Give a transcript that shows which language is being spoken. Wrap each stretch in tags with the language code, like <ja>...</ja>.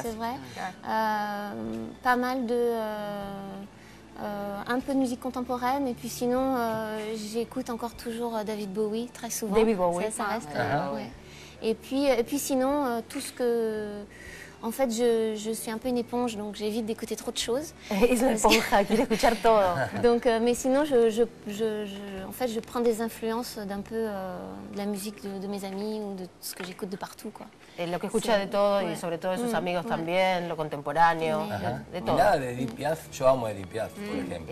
<fr>C'est vrai. Pas mal de. Un peu de musique contemporaine et puis sinon j'écoute encore toujours David Bowie très souvent. David Bowie. Ça reste. Et puis sinon tout ce que en fait je suis un peu une éponge donc j'évite d'écouter trop de choses.</fr> <es>Es una esponja, quiere escuchar todo.</es> <fr>Donc mais sinon je prends des influences d'un peu de la musique de mes amis ou de ce que j'écoute de partout quoi.</fr> <es>Et lo que escucha de todo y sobre todo de sus amigos también, lo contemporáneo, de todo. Nada de Edith Piaf, yo amo a Edith Piaf, por ejemplo.</es>